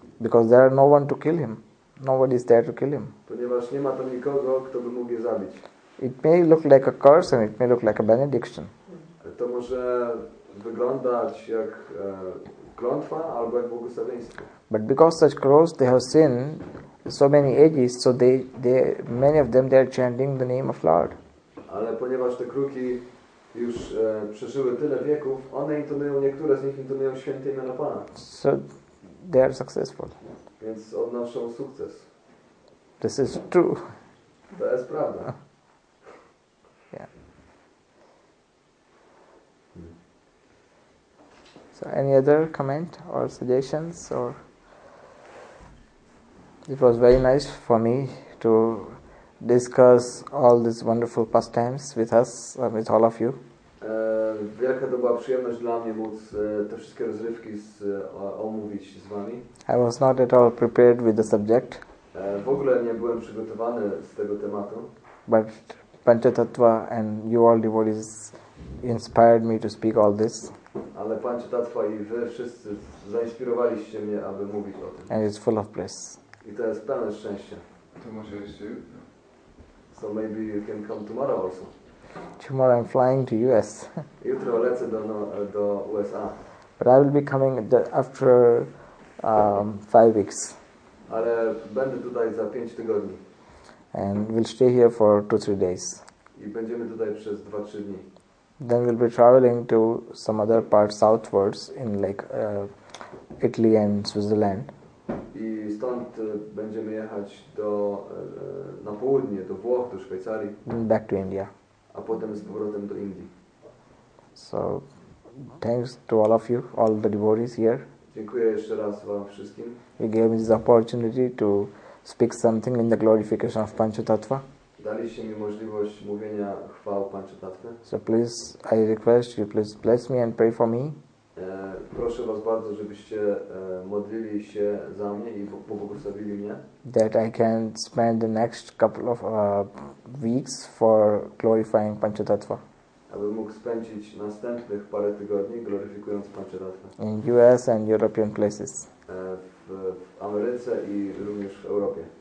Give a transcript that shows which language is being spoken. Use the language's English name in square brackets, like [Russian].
[English] Because there are no one to kill him. Nobody is there to kill him. [Polish] Ponieważ nie ma tam nikogo, kto by mógł je zabić. [English] It may look like a curse and it may look like a benediction. [Polish] To może wyglądać jak klątwa albo jak błogosławieństwo. [English] But because such crows, they have seen so many ages, so many of them are chanting the name of Lord. [Polish] Ale ponieważ te kruki już przeżyły tyle wieków, one intonują, niektóre z nich intonują święte imię na Pana. [English] So they are successful. [Polish] Więc odnoszą sukces. [English] This is true. [Polish] To jest prawda. [English] So any other comment or suggestions? Or it was very nice for me to discuss all these wonderful pastimes with us, with all of you. [Polish] Wielka to była przyjemność dla mnie móc te wszystkie rozrywki omówić z wami. [English] I was not at all prepared with the subject. [Polish] W ogóle nie byłem przygotowany z tego tematu. [English] But Panchatattva and you all devotees inspired me to speak all this. [Polish] Ale Panchatattva i wy wszyscy zainspirowaliście mnie, aby mówić o tym. [English] And it's full of bliss. [Polish] I to jest pełne szczęścia. To może jeszcze. [English] So maybe you can come tomorrow also. Tomorrow I'm flying to US. [Polish] Jutro lecę do USA. [English] But I will be coming after 5 weeks. [Polish] Ale będę tutaj za 5 tygodni. [English] And we'll stay here for 2-3 days. [Polish] I będziemy tutaj przez 2-3 dni. [English] Then we'll be traveling to some other part southwards in like Italy and Switzerland. [Polish] I stąd będziemy jechać do na południe, do Włoch, do Szwajcarii. [English] And back to India. [Polish] A potem z powrotem do Indii. [English] So, thanks to all of you, all the devotees here. [Polish] Dziękuję jeszcze raz wam wszystkim. [English] You gave me this opportunity to speak something in the glorification of Panchatattva. [Polish] Daliście mi możliwość mówienia chwał Panchatattvy. [English] So please, I request you, please bless me and pray for me. [Polish] Proszę was bardzo, żebyście modlili się za mnie i pobłogosławili mnie. [English] That I can spend the next couple of weeks for glorifying Panchatattva. [Polish] Aby mógł spędzić następnych parę tygodni gloryfikując Panchatattvy. [English] In US and European places. [Polish] W Ameryce i również w Europie.